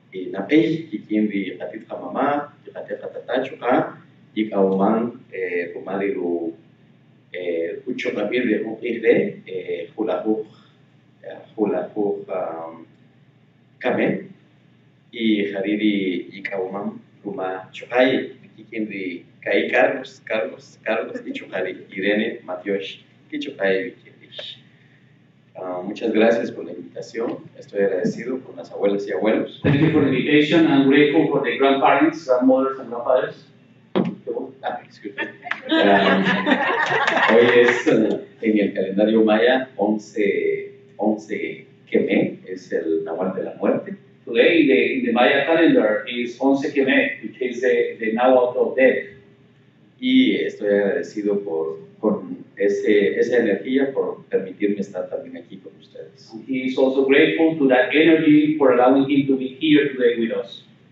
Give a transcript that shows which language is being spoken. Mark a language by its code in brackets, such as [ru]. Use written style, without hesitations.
[es] Na pej ki kien vi katit ka mama, ki katit ka tata chuka, ki ka uman kumali ru ucho ka bir de hong ihre, hula huk kame, i hariri i ka uman kuma chukai, ki kien vi kai karlos, ki chukari Irene Matios, ki chukai vi kien vi. Muchas gracias por la invitación. Estoy agradecido con las abuelas y abuelos. [en] Thank you for the invitation and grateful for the grandparents, grandmothers and grandfathers. [es] Hoy es en el calendario maya 11 Kemé, es el Nahual de la Muerte. [en] Today in the Maya calendar is 11 Kemé, which is the Nahual of Death. [es] Y estoy agradecido por esa energía por permitirme estar también aquí con ustedes. [en] He is also grateful to that energy for allowing him to be here today with us.